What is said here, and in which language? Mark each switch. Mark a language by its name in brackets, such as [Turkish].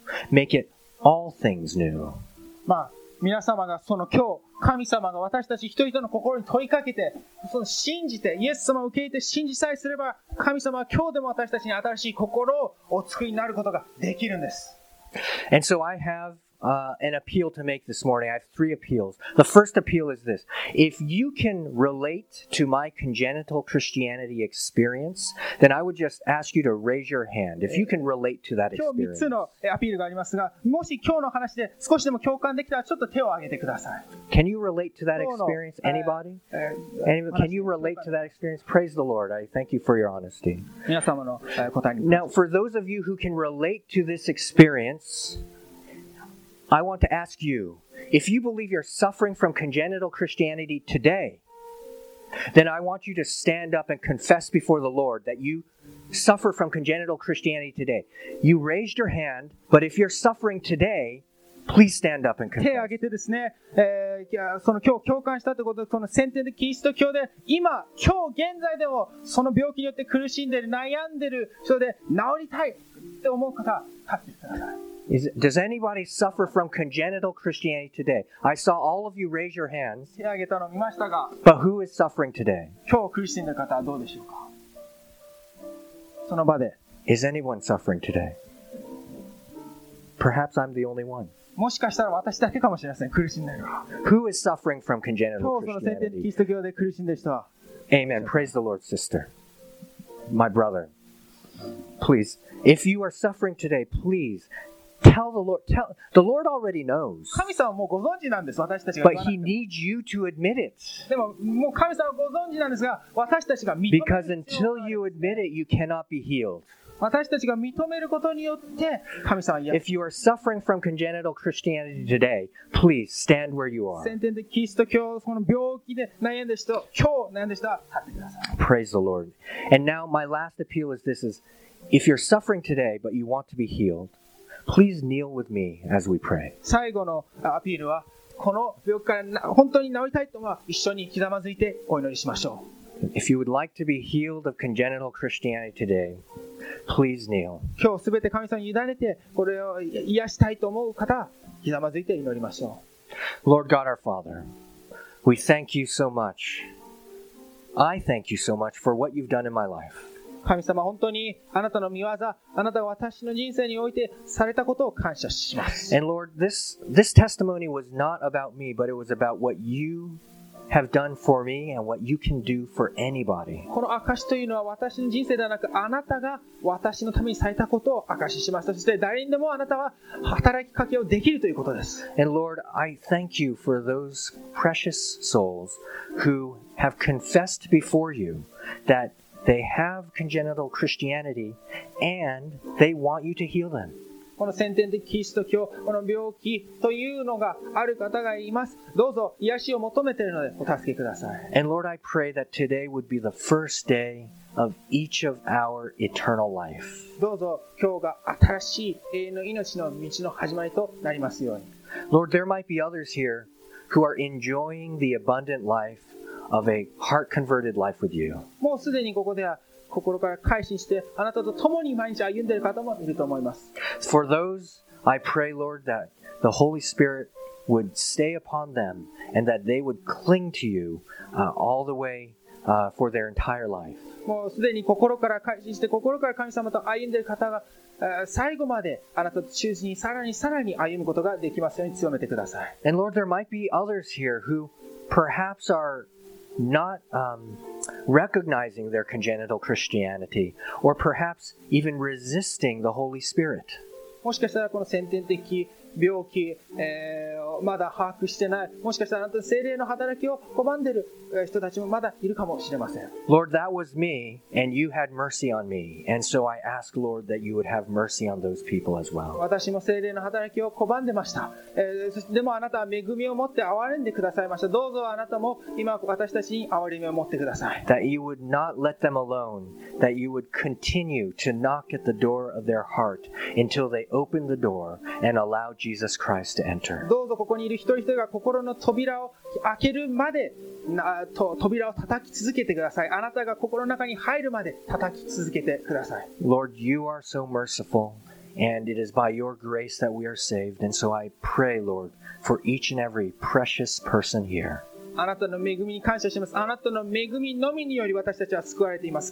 [English] Make it all things new. [Japanese] まあ、皆様がその今日、神様が私たち一人々の心に問いかけて、その信じて、イエス様を受け入れて信じさえすれば、神様は今日でも私たちに新しい心をお作りになることができるんです。 [English] And so I have, an appeal to make this morning. I have three appeals. The first appeal is this. If you can relate to my congenital Christianity experience, then I would just ask you to raise your hand. If you can relate to that experience. [Japanese] 今日3つのアピールがありますが、もし今日の話で少しでも共感できたらちょっと手を挙げてください。 [English] Can you relate to that experience? Anybody? Can you relate to that experience? Praise the Lord. I thank you for your honesty. [Japanese] 皆様の答えに。 [English] Now, for those of you who can relate to this experience,I want to ask you, if you believe you're suffering from congenital Christianity today, then I want you to stand up and confess before the Lord that you suffer from congenital Christianity today. You raised your hand, but if you're suffering today, please stand up and confess. [Japanese] 手を挙げてですね、その今日共感したということで、その先天的キリスト教で、今日現在でもその病気によって苦しんでる、悩んでる、それで治りたいって思う方、立ってください。 [English] Does anybody suffer from congenital Christianity today? I saw all of you raise your hands. [Japanese] 手を挙げたの見ましたが。 [English] But who is suffering today? [Japanese] 今日苦しんでる方はどうでしょうか。その場で。 [English] Is anyone suffering today? Perhaps I'm the only one. [Japanese] もしかしたら私だけかもしれません。苦しんでる。 [English] Who is suffering from congenital Christianity? [Japanese] 今日その先天キリスト教で苦しんでる人は。 [English] Amen. Praise the Lord, sister. My brother. Please. If you are suffering today, please. Tell the Lord. The Lord already knows. [Japanese] 神様はもうご存知なんです。私たちが。 [English] But He needs you to admit it. [Japanese] でももう神様はご存知なんですが、私たちが認める。 [English] Because until you admit it, you cannot be healed. [Japanese] 私たちが認めることによって神様は。 [English] If you are suffering from congenital Christianity today, please stand where you are. [Japanese] 先天的キリスト教その病気で悩んでる人、今日悩んでる人は立ってください。 [English] Praise the Lord. And now my last appeal is this: is if you're suffering today, but you want to be healed. Please kneel with me as we pray. [Japanese] 最後のアピールは、この病気から本当に治りたいと一緒にひざまずいてお祈りしましょう。 [English] If you would like to be healed of congenital Christianity today, please kneel. [Japanese] 今日すべて神様に委ねてこれを癒したいと思う方、ひざまずいて祈りましょう。 [English] Lord God our Father, we thank you so much. I thank you so much for what you've done in my life. [Japanese] 神様、本当にあなたの御業、あなたが私の人生においてされたことを感謝します。 [English] And Lord, this testimony was not about me, but it was about what you have done for me and what you can do for anybody. [Japanese] この証しというのは私の人生ではなく、あなたが私のためにされたことを証しします。そして誰にでもあなたは働きかけをできるということです。 [English] And Lord, I thank you for those precious souls who have confessed before you that they have congenital Christianity and they want you to heal them. [Japanese] この先天的キリスト教、この病気というのがある方がいます。どうぞ癒しを求めているのでお助けください。 [English] And Lord, I pray that today would be the first day of each of our eternal life. [Japanese] どうぞ今日が新しい永遠の命の道の始まりとなりますように。 [English] Lord, there might be others here who are enjoying the abundant life of a heart-converted life with you. [Japanese] もうすでにここでは心から改心してあなたと共に毎日歩んでいる方もいると思います。 [English] For those, I pray, Lord, that the Holy Spirit would stay upon them and that they would cling to you all the way for their entire life. [Japanese] もうすでに心から改心して心から神様と歩んでいる方が最後まであなたと忠実にさらにさらに歩むことができますように強めてください。 [English] And Lord, there might be others here who perhaps are not recognizing their congenital Christianity, or perhaps even resisting the Holy Spirit. [Japanese] もしかしたらこの先天的病気、まだ把握してない、もしかしたらあなたの聖霊の働きを拒んでいる人たちもまだいるかもしれません。 [English] Lord, that was me, and you had mercy on me. And so I ask, Lord, that you would have mercy on those people as well. [Japanese] 私も聖霊の働きを拒んでました。でもあなたは恵みを持って憐れんでくださいました。どうぞあなたも今私たちに憐れみを持ってください。 [English] That you would not let them alone, that you would continue to knock at the door of their heart until they open the door and allow Jesus Christ to enter. [Japanese] どうぞここにいる一人一人が心の扉を開けるまで扉を叩き続けてください。あなたが心の中に入るまで叩き続けてください。 [English] Lord, you are so merciful, and it is by your grace that we are saved. And so I pray, Lord, for each and every precious person here. [Japanese] あなたの恵みに感謝します。あなたの恵みのみにより私たちは救われています。